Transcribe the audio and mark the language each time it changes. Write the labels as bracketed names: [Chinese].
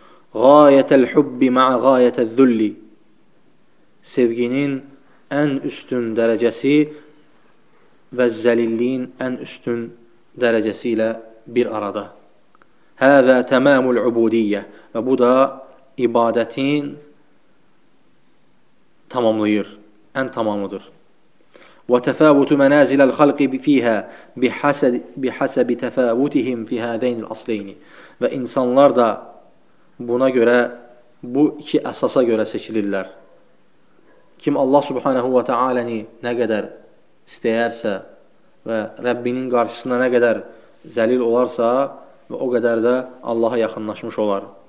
[Arabic] Qayətəl hübbi mə qayətəl zülli. [Azerbaijani] Sevginin ən üstün dərəcəsi və zəlilliyin ən üstün dərəcəsi ilə bir arada. [Arabic] Həzə təməmul ubudiyyə. [Azerbaijani] Və bu da ibadətin tamamlayır, ən tamamıdır. [Arabic] وتفاوت منازل الخلق فيها بحسب تفاوتهم في هذين الاصلين. [Azerbaijani] Və insanlar da buna görə, bu iki əsasa görə seçilirlər. Kim Allah subhanahu wa ta'alani nə qədər istəyərsə və Rəbbinin qarşısında nə qədər zəlil olarsa və o qədər də Allaha yaxınlaşmış olar.